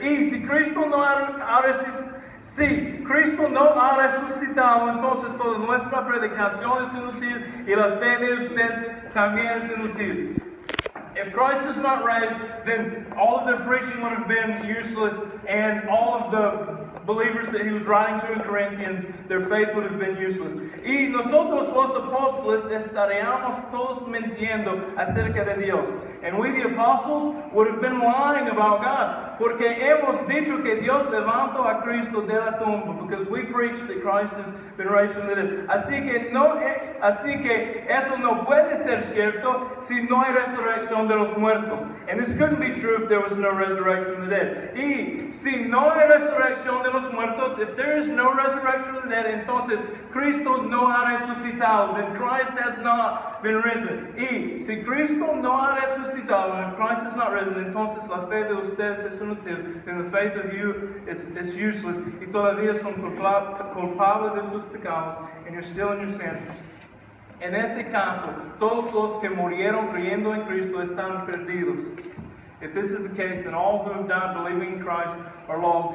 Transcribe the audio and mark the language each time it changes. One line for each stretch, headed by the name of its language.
Spanish: Y si Cristo no ha resucitado, entonces toda nuestra predicación es inútil y la fe de ustedes también es inútil.
English: If Christ is not raised, then all of the preaching would have been useless, and all of the believers that he was writing to in Corinthians, their faith would have been useless.
Spanish: Y nosotros los apóstoles estaríamos todos mintiendo acerca de Dios.
English: And we, the apostles, would have been lying about God.
Spanish: Porque hemos dicho que Dios levantó a Cristo de la tumba.
English: Because we preach that Christ has been raised from the dead.
Spanish: Así que eso no puede ser cierto si no hay resurrección de los muertos.
English: And this couldn't be true if there was no resurrection of the dead.
Spanish: Y si no hay resurrección de los muertos,
English: if there is no resurrection of the dead,
Spanish: entonces Cristo no ha resucitado.
English: Then Christ has not been risen.
Spanish: Y si Cristo no ha resucitado,
English: and if Christ is not risen,
Spanish: entonces la fe de ustedes es inútil,
English: and the faith of you it's useless.
Spanish: Y todavía son culpables de sus pecados,
English: and you're still in your sins.
Spanish: En ese caso, todos los que murieron creyendo en Cristo están perdidos.
English: If this is the case, then all who have died believing in Christ are lost.